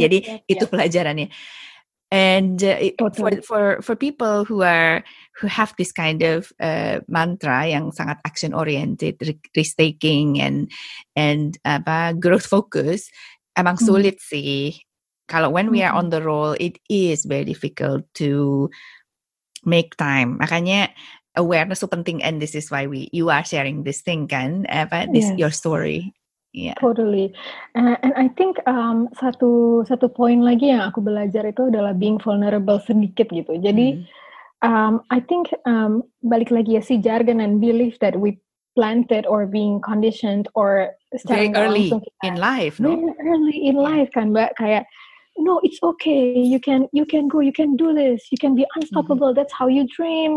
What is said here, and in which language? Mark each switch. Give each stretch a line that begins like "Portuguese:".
English: Yes. Jadi yes.
Indonesian: Itu pelajarannya.
English: And for people who have this kind of mantra
Indonesian: yang sangat
English: action oriented, risk taking and apa, growth focus,
Indonesian: emang sulit sih.
English: Kalau when we are on the roll, it is very difficult to make time. Makanya awareness so penting, and this is why you are sharing this thing, kan, apa, this, yes. Your story. Yeah. Totally, and I think
Indonesian: satu poin lagi yang aku belajar itu adalah
English: being vulnerable
Indonesian: sedikit gitu.
English: Jadi, I think
Indonesian: balik lagi ya,
English: si jargon and belief that we planted or being conditioned or starting early in life, no? Early in life, kan, Mbak, kayak, no, it's okay. You can go. You can do this. You can be unstoppable. Mm-hmm. That's how you dream.